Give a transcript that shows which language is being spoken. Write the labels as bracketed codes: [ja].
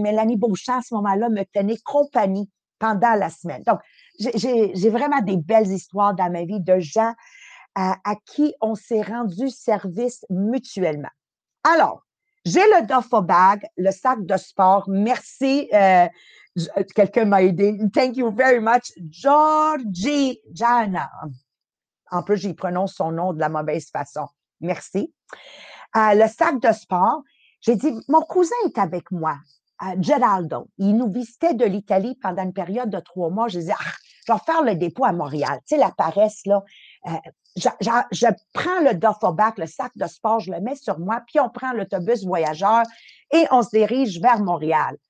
[fr] Mélanie Beauchamp, à ce moment-là, me tenait compagnie pendant la semaine. Donc, j'ai vraiment des belles histoires dans ma vie de gens à qui on s'est rendu service mutuellement. Alors, j'ai le duffel bag, le sac de sport. Merci, quelqu'un m'a aidé. [en] Thank you very much, Georgiana. [fr] En plus, j'y prononce son nom de la mauvaise façon. Merci. Le sac de sport, j'ai dit, mon cousin est avec moi, Geraldo. Il nous visitait de l'Italie pendant une période de 3 mois. J'ai dit, je vais faire le dépôt à Montréal. Tu sais, la paresse, là. Je prends le duffel bag, le sac de sport, je le mets sur moi, puis on prend l'autobus voyageur et on se dirige vers Montréal.